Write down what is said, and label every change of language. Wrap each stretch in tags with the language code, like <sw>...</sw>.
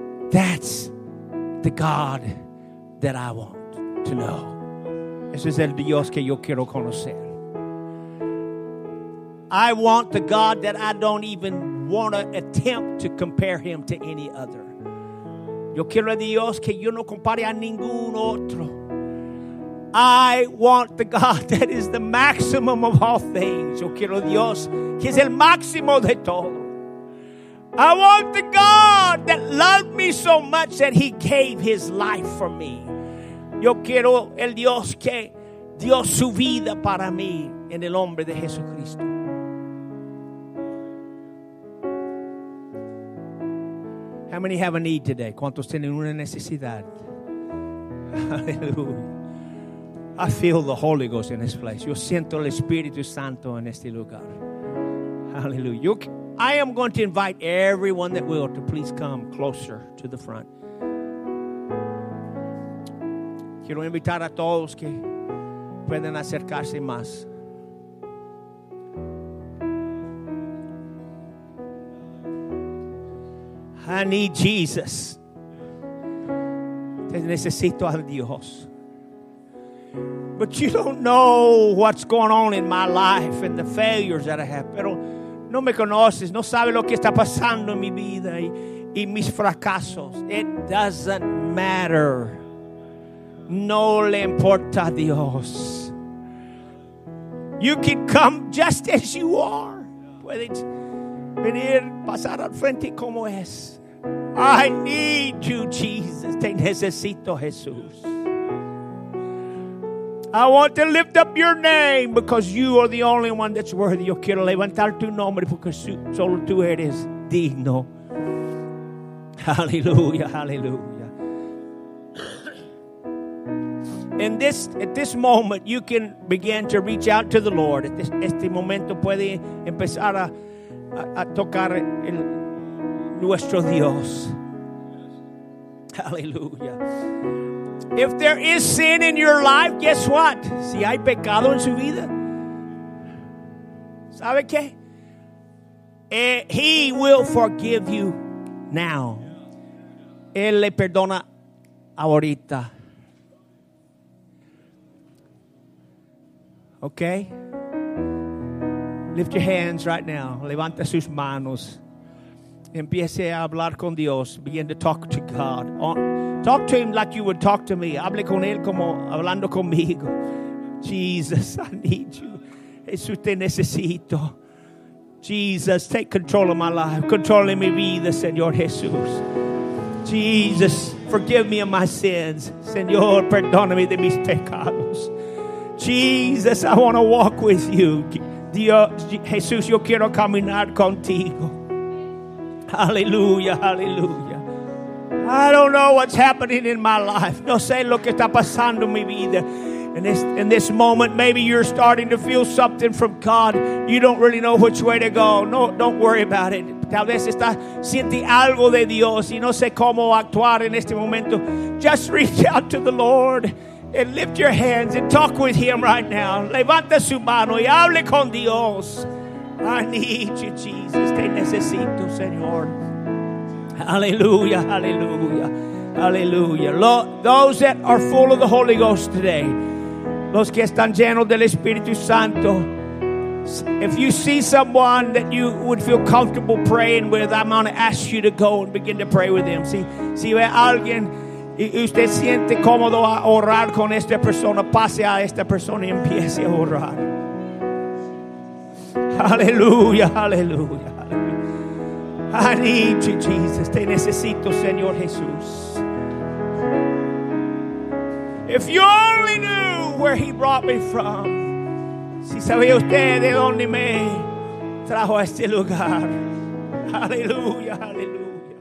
<en>That's the God that I want to know.</en> <es>Ese es el Dios que yo quiero conocer.</es> <en>I want the God that I don't even want to attempt to compare Him to any other.</en> <es>Yo quiero a Dios que yo no compare a ningún otro.</es> <en>I want the God that is the maximum of all things.</en> <es>Yo quiero a Dios que es el máximo de todo.</es> <en>I want the God that loved me so much that He gave His life for me.</en> <es>Yo quiero el Dios que dio su vida para mí en el nombre de Jesucristo.</es> <en>How many have a need today?</en> <es>¿Cuántos tienen una necesidad?</es> <en>Hallelujah. I feel the Holy Ghost in this place.</en> <es>Yo siento el Espíritu Santo en este lugar. Hallelujah.</es> <en>I am going to invite everyone that will to please come closer to the front.</en> <es>Quiero invitar a todos que pueden acercarse más.</es> <en>I need Jesus.</en> <es>Te necesito a Dios.</es> <en>But you don't know what's going on in my life and the failures that I have.</en> <es>Pero no me conoces. No sabes lo que está pasando en mi vida y mis fracasos.</es> <en>It doesn't matter.</en> <es>No le importa a Dios.</es> <en>You can come just as you are.</en> <es>Puedes venir, pasar al frente como es.</es> <en>I need you, Jesus.</en> <es>Te necesito, Jesús.</es> <en>I want to lift up your name because you are the only one that's worthy.</en> <es>Yo quiero levantar tu nombre porque solo tú eres digno. Hallelujah, hallelujah.</es> <en>At this moment, you can begin to reach out to the Lord.</en> <es>At este momento puede empezar a tocar el nuestro Dios. Hallelujah.</es> <en>If there is sin in your life, guess what?</en> <es>Si hay pecado en su vida, ¿sabe qué?</es> <en>He will forgive you now.</en> <es>Él le perdona ahorita.</es> <en>Okay? Lift your hands right now.</en> <es>Levanta sus manos. Empiece a hablar con Dios.</es> <en>Begin to talk to God. Talk to him like you would talk to me.</en> <es>Hable con él como hablando conmigo.</es> <en>Jesus, I need you.</en> <es>Jesús, te necesito.</es> <en>Jesus, take control of my life.</en> <es>Control in mi vida, Señor Jesús.</es> <en>Jesus, forgive me of my sins.</en> <es>Señor, perdóname de mis pecados.</es> <en>Jesus, I want to walk with you.</en> <es>Dios, Jesús, yo quiero caminar contigo. Hallelujah, hallelujah.</es> <en>I don't know what's happening in my life.</en> <es>No sé lo que está pasando en mi vida.</es> <en>In this moment, maybe you're starting to feel something from God. You don't really know which way to go. No, don't worry about it.</en> <es>Tal vez está sintiendo algo de Dios y no sé cómo actuar en este momento.</es> <en>Just reach out to the Lord and lift your hands and talk with him right now.</en> <es>Levanta su mano y hable con Dios.</es> <en>I need you, Jesus.</en> <es>Te necesito, Señor. Hallelujah, hallelujah, hallelujah.</es> <en>Lord, those that are full of the Holy Ghost today,</en> <es>los que están llenos del Espíritu Santo,</es> <en>if you see someone that you would feel comfortable praying with, I'm going to ask you to go and begin to pray with them.</en> <es>Si ve alguien y usted siente cómodo a orar con esta persona, pase a esta persona y empiece a orar.</es> <en>Hallelujah, hallelujah, hallelujah. I need you, Jesus.</en> <es>Te necesito, Señor Jesús.</es> <en>If you only knew where he brought me from.</en> <es>Si sabía usted de dónde me trajo a este lugar. Hallelujah, hallelujah.</es>